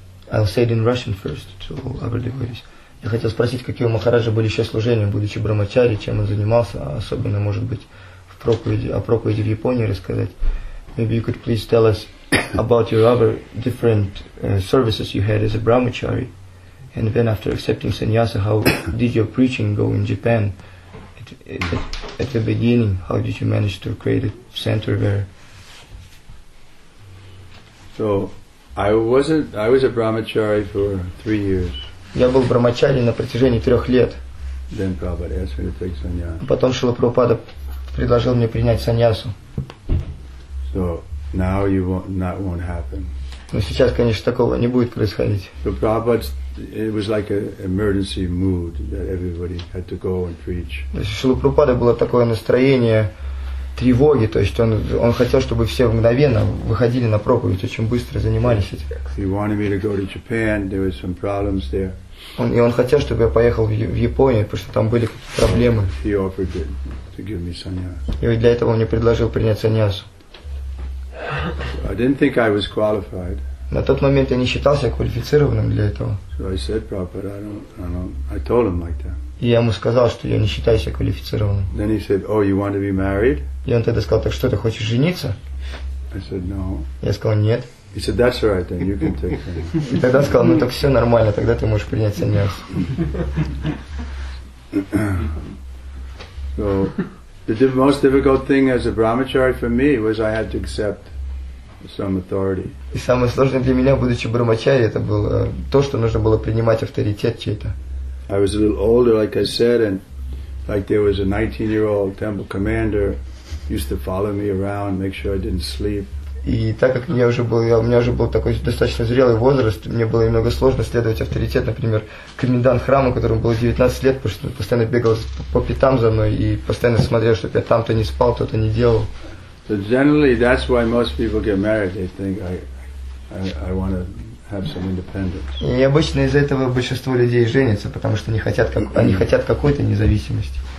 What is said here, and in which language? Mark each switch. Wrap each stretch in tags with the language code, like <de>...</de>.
<en>I'll say it in Russian first to our devotees.</en> <ru>Я хотел спросить, какие у Махараджа были еще служения, будучи брахмачари, чем он занимался, особенно, может быть, проповеди в Японии рассказать.</ru> <en>Maybe you could please tell us about your other different services you had as a brahmachari, and then after accepting sannyasa, how did your preaching go in Japan at the beginning? How did you manage to create a center there? So I was a brahmachari for 3 years.</en> <ru>Я был брахмачари на протяжении 3 лет.</ru> <en>Then Prabhupada asked me to take sannyasa.</en> <ru>Потом Шрила Прабхупада предложил мне принять саньясу.</ru> <en>So now you won't, that won't happen.</en> <ru>Но сейчас, конечно, такого не будет происходить.</ru> <en>So Prabhupada, it was like an emergency mood that everybody had to go and preach.</en> <ru>Шрила Прабхупада было такое настроение тревоги, то есть он хотел, чтобы все мгновенно выходили на проповедь, очень быстро занимались этим.</ru> <en>He wanted me to go to Japan. There were some problems there.</en> <ru>И он хотел, чтобы я поехал в Японию, потому что там были какие-то проблемы.</ru> <en>He offered to give me sannyas.</en> <ru>И для этого он мне предложил принять саньясу.</ru> <en>I didn't think I was qualified.</en> <ru>На тот момент я не считался квалифицированным для этого.</ru> <en>So I said, Prabhupada, I told him like that.</en> <ru>И я ему сказал, что я не считаю себя квалифицированным.</ru> <en>Then he said, oh, you want to be married?</en> <ru>И он тогда сказал, так что, ты хочешь жениться?</ru> <en>I said, no.</en> <ru>Я сказал, нет.</ru> <en>He said, that's all right, then you can take it.</en> <ru>И тогда сказал, ну так все нормально, тогда ты можешь принять саньяс.</ru> <en>So, the most difficult thing as a brahmachari for me was I had to accept some authority.</en> <ru>И самое сложное для меня, будучи брахмачари, это было то, что нужно было принимать авторитет чей-то.</ru> <en>I was a little older, like I said, and like there was a 19-year-old temple commander used to follow me around, make sure I didn't sleep.</en> <ru>И так как у меня уже был такой достаточно зрелый возраст, мне было немного сложно следовать авторитет, например, комендант храма, которому было 19 лет, потому что он постоянно бегал по пятам за мной и постоянно смотрел, чтобы я там-то не спал, то-то не делал.</ru> <en>So generally, that's why most people get married. They think I want to have some independence.</en> <ru>И обычно из-за этого большинство людей женятся, потому что они хотят какой-то независимости.</ru>